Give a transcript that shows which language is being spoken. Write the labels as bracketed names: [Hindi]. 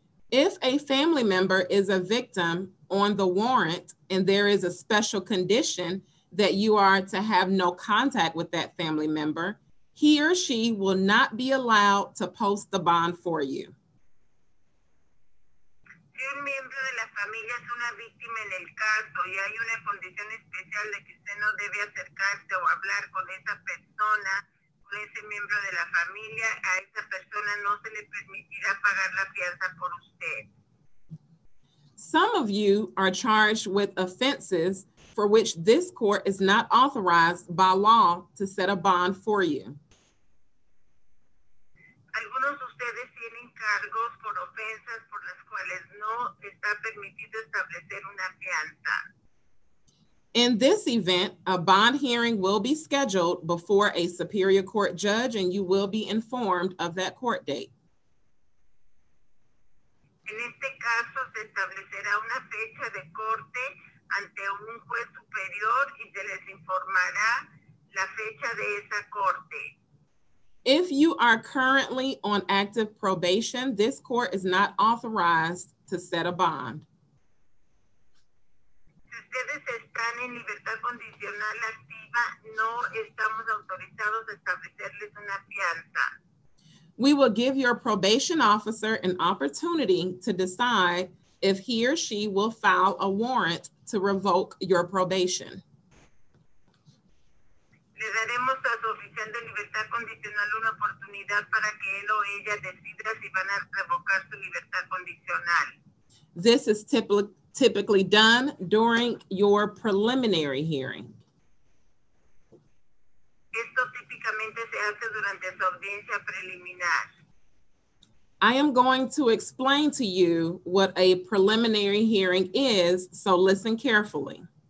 [English] If a family member is a victim on the warrant and there is a special condition that you are to have no contact with that family member, he or she will not be allowed to post the bond for you. [Spanish] Si un miembro de la familia es una víctima en el caso y hay una condición especial de que usted no debe acercarse o hablar con esa persona, ese miembro de la familia, a esa persona no se le permitirá pagar la fianza por usted. [English] Some of you are charged with offenses for which this court is not authorized by law to set a bond for you. [Spanish] Algunos de ustedes tienen cargos por ofensas por las cuales no está permitido establecer una fianza. [English] In this event, a bond hearing will be scheduled before a Superior Court judge and you will be informed of that court date. [Spanish] En este caso, se establecerá una fecha de corte ante un juez superior y se les informará la fecha de esa corte. [English] If you are currently on active probation, this court is not authorized to set a bond. [Spanish] Ustedes están en libertad condicional activa, no estamos autorizados a establecerles una fianza. [English] We will give your probation officer an opportunity to decide if he or she will file a warrant to revoke your probation. [Spanish] Le daremos a su oficial de libertad condicional una oportunidad para que él o ella decida si van a revocar su libertad condicional. [English] This is typically done during your preliminary hearing. [Spanish] Esto típicamente se hace durante su audiencia preliminar. [English] I am going to explain to you what a preliminary hearing is, so listen carefully.